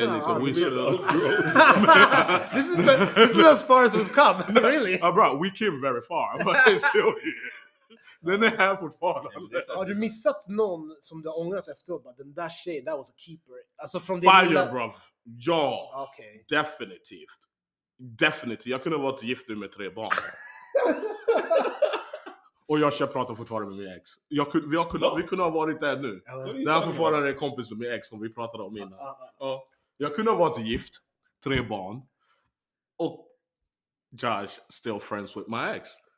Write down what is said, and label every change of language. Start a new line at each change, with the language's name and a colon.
Swedish: Det är liksom,
English: we still have growth. this is as far as we've come, really. Bro, we came very far, but it's still here.
Swedish: Den är här fortfarande. Har du missat någon som du har ångrat efteråt? Den där tjejen,
English: that was a keeper.
Swedish: Alltså från
English: fire, bro. Ja. Okay.
Swedish: Definitivt. Definitivt. Jag kunde ha varit gift nu med 3 barn. Och jag ska prata fortfarande med min ex. Vi kunde ha varit där nu. Det här fortfarande är kompis med min ex som vi pratade om innan. Jag kunde ha varit gift, 3 barn.
English: Och Josh still friends with my ex.